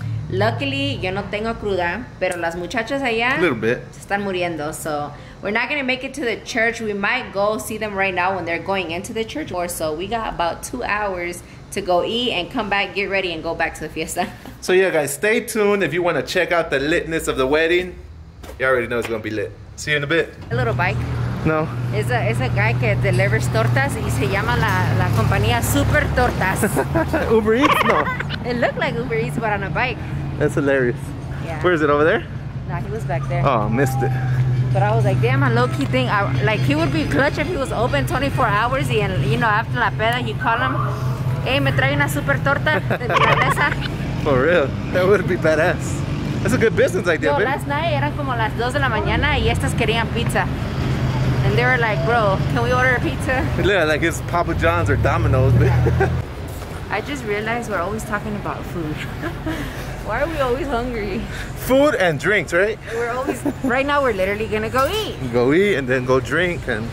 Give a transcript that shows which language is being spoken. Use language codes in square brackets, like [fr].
[en] Luckily, [es] yo no tengo cruda, pero las muchachas allá se están muriendo. [en] So, we're not gonna make it to the church. We might go see them right now when they're going into the church. Or so, we got about 2 hours to go eat and come back, get ready, and go back to the fiesta. So, yeah, guys, stay tuned if you wanna check out the litness of the wedding. You already know it's gonna be lit. See you in a bit. A little bike. No. It's a guy [es] que [en] delivers [es] tortas y se llama la compañía Super Tortas. [en] Uber Eats? No. It looked like Uber Eats, but on a bike. That's hilarious. Yeah. Where is it, over there? Nah, he was back there. Oh, missed it. But I was like, damn, a low-key thing. He would be clutch if he was open 24 hours. And, you know, after [es] la peda, [en] you call him, hey, [es] me trae una super torta de esa. [en] For real. That would be badass. That's a good business idea, baby. Last night, [es] eran como las 2 de la mañana, y estas querían pizza. [en] And they were like, bro, can we order a pizza? Yeah, like it's Papa John's or Domino's, baby. I just realized we're always talking about food. Why are we always hungry? Food and drinks, right? Right now we're literally gonna go eat. Go eat and then go drink and...